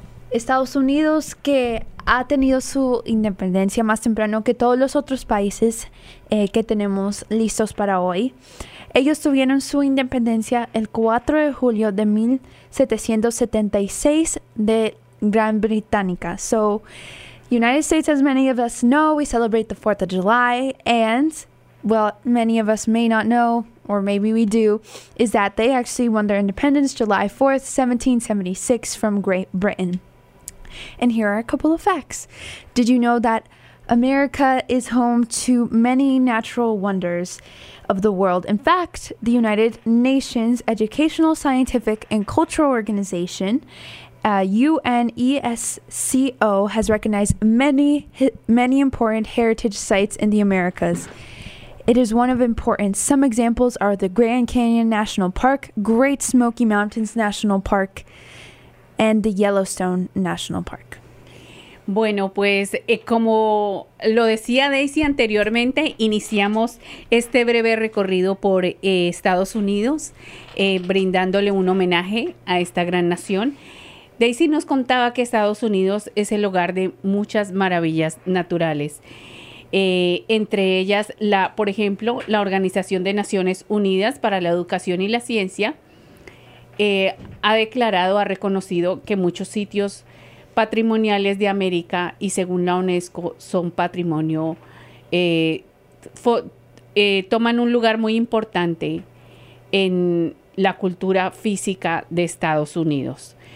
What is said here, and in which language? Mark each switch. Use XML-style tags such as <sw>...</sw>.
<es>Estados Unidos, que ha tenido su independencia más temprano que todos los otros países que tenemos listos para hoy. Ellos tuvieron su independencia el 4 de julio de 1776 de Gran Britannica.</es> <en>So, United States, as many of us know, we celebrate the 4th of July. And, well, many of us may not know, or maybe we do, is that they actually won their independence July 4th, 1776 from Great Britain. And here are a couple of facts. Did you know that America is home to many natural wonders of the world? In fact, the United Nations Educational, Scientific, and Cultural Organization, UNESCO, has recognized many important heritage sites in the Americas. It is one of importance. Some examples are the Grand Canyon National Park, Great Smoky Mountains National Park, and the Yellowstone National Park.</en> <es>Bueno, pues como lo decía Daisy anteriormente, iniciamos este breve recorrido por Estados Unidos, brindándole un homenaje a esta gran nación. Daisy nos contaba que Estados Unidos es el hogar de muchas maravillas naturales, entre ellas, por ejemplo, la Organización de Naciones Unidas para la Educación y la Ciencia ha reconocido que muchos sitios patrimoniales de América y según la UNESCO son patrimonio, toman un lugar muy importante en la cultura física de Estados Unidos.</es>